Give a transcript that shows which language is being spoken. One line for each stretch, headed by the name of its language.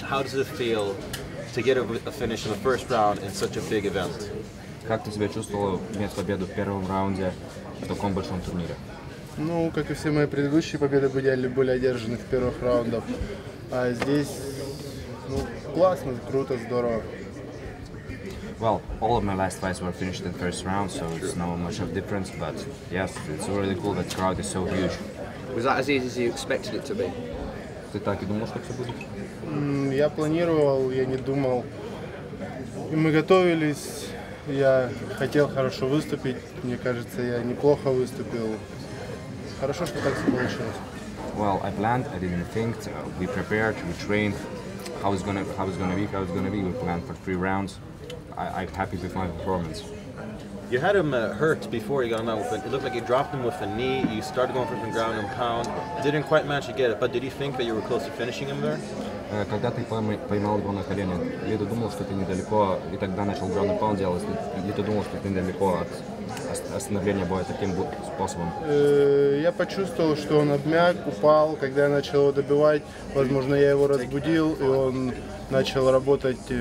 English: How does it feel to get a finish in the first round in such a big event?
Russian: Как ты себя чувствовал иметь победу в первом раунде в таком большом турнире? Ну, как и все мои предыдущие победы были одержаны в первых раундах. А здесь, ну, классно, круто, здорово.
English: Well, all of my last fights were finished in the first round, so it's not much of a difference, but yes, it's really cool that the crowd is so huge. Was that as easy as you expected it to be?
Russian: Ты так и думал, что все будет? Я планировал, я не думал. И мы готовились, я хотел хорошо выступить, мне кажется, я неплохо выступил. Хорошо, что так все получилось.
English: Well, I planned, I didn't think, we prepared, we trained. How it's gonna be, we planned for three rounds. I'm happy with my performance. You had him hurt before he got knocked out, but it looked like he dropped him with a knee. You started going for some ground and pound. Didn't quite manage to get it, but did you think that you were close to finishing him there?
Russian: Когда ты поймал его на колени, ли ты думал, что ты недалеко, и тогда начал ground and pound делать, ли ты думал, что ты недалеко от остановления боя таким способом? Я почувствовал, что он обмяк, упал, когда я начал его добивать. Возможно, я его разбудил, и он начал работать...